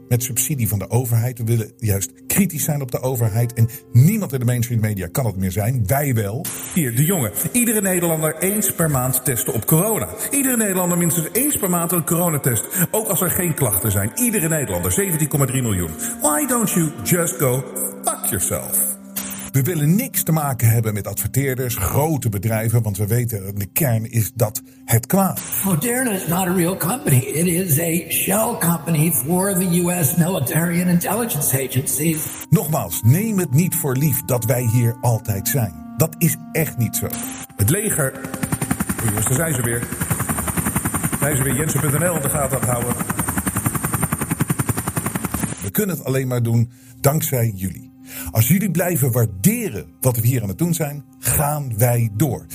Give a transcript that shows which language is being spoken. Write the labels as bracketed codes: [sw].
[nl] met subsidie van de overheid. We willen juist kritisch zijn op de overheid. En niemand in de mainstream media kan het meer zijn. Wij wel. Hier, De Jonge. Iedere Nederlander eens per maand testen op corona. Iedere Nederlander minstens eens per maand een coronatest. Ook als er geen klachten zijn. Iedere Nederlander. 17,3 miljoen. [en] Why don't you just go fuck yourself? [nl] We willen niks te maken hebben met adverteerders, grote bedrijven, want we weten dat de kern is dat het kwaad. [en] Moderna is not a real company. It is a shell company for the US military and intelligence agencies. [nl] Nogmaals, neem het niet voor lief dat wij hier altijd zijn. Dat is echt niet zo. Het leger. O, jongens, daar zijn ze weer. Zijn ze weer Jensen.nl in de gaten houden. We kunnen het alleen maar doen dankzij jullie. Als jullie blijven waarderen wat we hier aan het doen zijn, gaan wij door.